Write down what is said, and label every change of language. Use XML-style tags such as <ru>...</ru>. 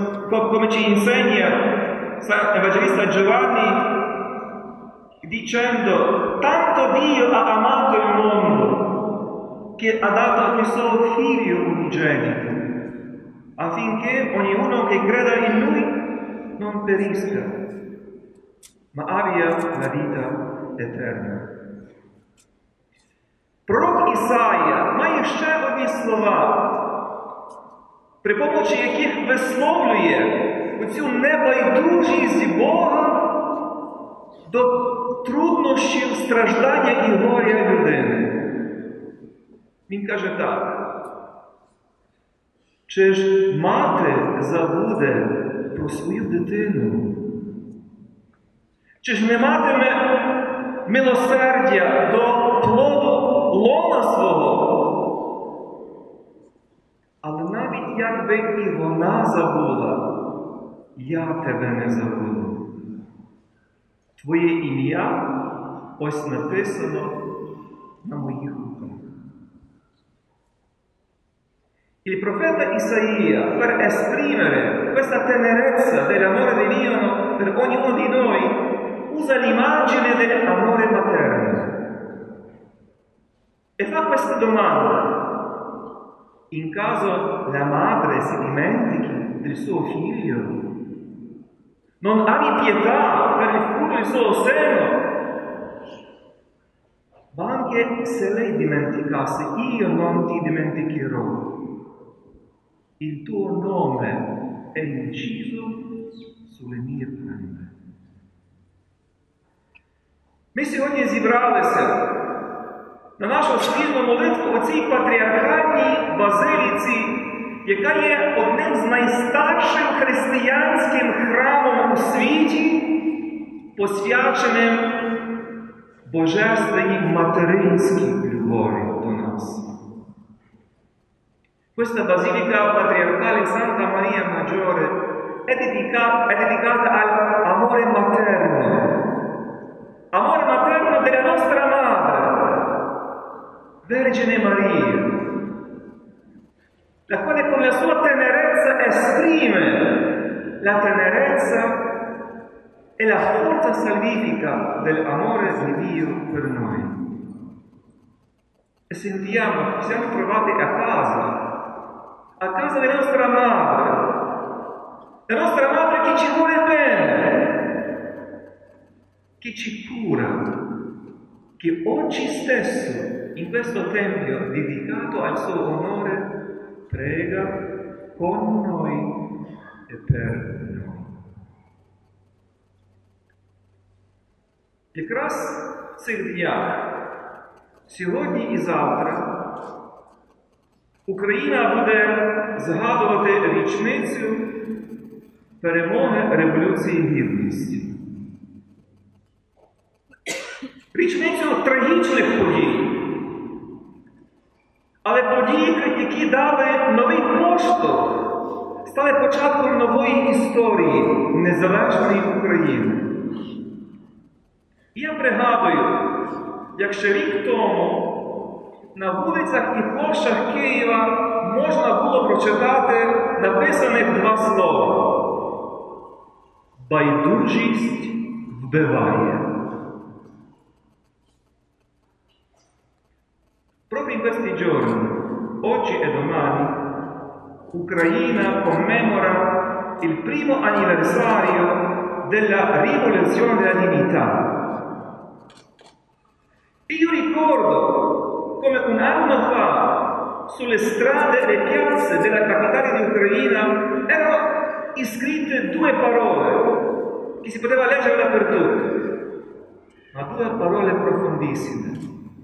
<it>Come ci insegna l'Evangelista Giovanni, dicendo: tanto Dio ha amato il mondo che ha dato anche suo Figlio unigenito, affinché ognuno che creda in Lui non perisca, ma abbia la vita eterna.</it> <uk>Prorok Ісаїя має ще одні слова, при помощі яких висловлює оцю небайдужість Бога до труднощів, страждання і горя людини. Він каже так: чи ж мати забуде про свою дитину? Чи ж не матиме милосердя до плоду лона свого? Але навіть якби і вона забула, я тебе не забуду. Твоє ім'я ось написано на моїх руках.</uk> <it>Il profeta Isaia, per esprimere questa tenerezza dell'amore divino per ognuno di noi, usa l'immagine dell'amore materno e fa questa domanda: in caso la madre si dimentichi del suo figlio, non abbia pietà per il frutto del suo seno? Ma anche se lei dimenticasse, io non ti dimenticherò. Il tuo nome è inciso sulle mie penne.</it> <uk>Ми сьогодні зібралися на нашу спільну молитву у цій патріархальній базиліці, яка є одним з найстарших християнським храмом у світі, посвяченим божественній материнській любові до нас.</uk> <it>Questa базиліка патріархалі Санта Марія Маджоре è dedicata al amore materno. Amore materno della nostra madre, Vergine Maria, la quale con la sua tenerezza esprime la tenerezza e la forza salvifica dell'amore di Dio per noi. E sentiamo, siamo trovati a casa della nostra madre, la nostra madre che ci vuole bene, che ci cura, che oggi stesso, in questo tempio dedicato al suo onore, prega con noi e per noi.</it> <uk>Якраз цих днях, сьогодні і завтра, Україна буде згадувати річницю перемоги Революції Гідності. Річницю трагічних подій, але події, які дали новий поштовх, стали початком нової історії незалежної України. Я пригадую, як ще рік тому на вулицях і площах Києва можна було прочитати написаних два слова: «Байдужість вбиває».</uk> <it>Proprio in questi giorni, oggi e domani, Ucraina commemora il primo anniversario della rivoluzione della dignità. Io ricordo come un anno fa, sulle strade e piazze della capitale di Ucraina, erano iscritte due parole che si poteva leggere dappertutto, ma due parole profondissime.</it>